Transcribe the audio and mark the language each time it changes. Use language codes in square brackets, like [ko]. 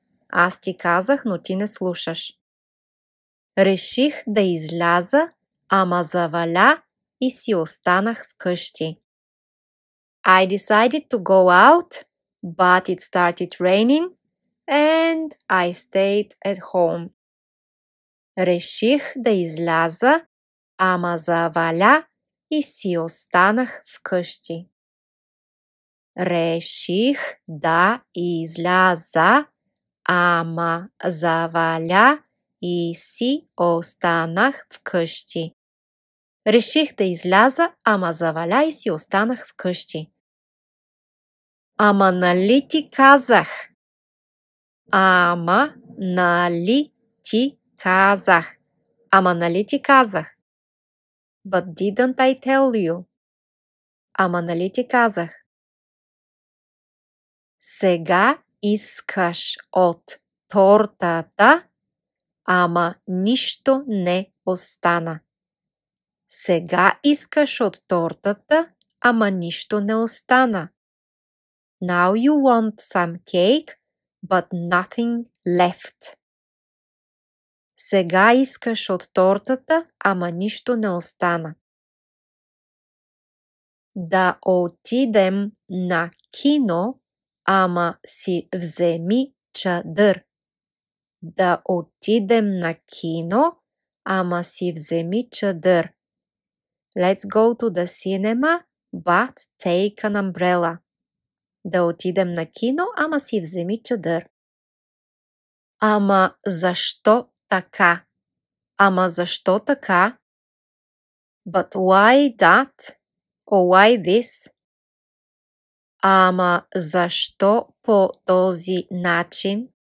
[bg] Аз ти казах, но ти не слушаш. Реших да изляза, ама заваля и си останах вкъщи. [en] I decided to go out, but it started raining and I stayed at home. [bg] Реших да изляза, ама заваля и си останах вкъщи. Реших да изляза, ама заваля и си останах вкъщи. Реших да изляза, ама заваля и си останах вкъщи. Ама нали ти казах? Ама нали ти казах? Ама нали ти казах? [en] But didn't I tell you? [bg] Ама нали ти казах? Сега искаш от тортата, ама нищо не остана. Сега искаш от тортата, ама нищо не остана. [en] Now you want some cake, but nothing left. [bg] Сега искаш от тортата, ама нищо не остана. Да отидем на кино, ама си вземи чадър. Да отидем на кино, ама си вземи чадър. [en] Let's go to the cinema, but take an umbrella. [bg] Да отидем на кино, ама си вземи чадър. Ама защо така? Ама защо така? [en] But why that? Or why this? [bg] Ама защо по този начин?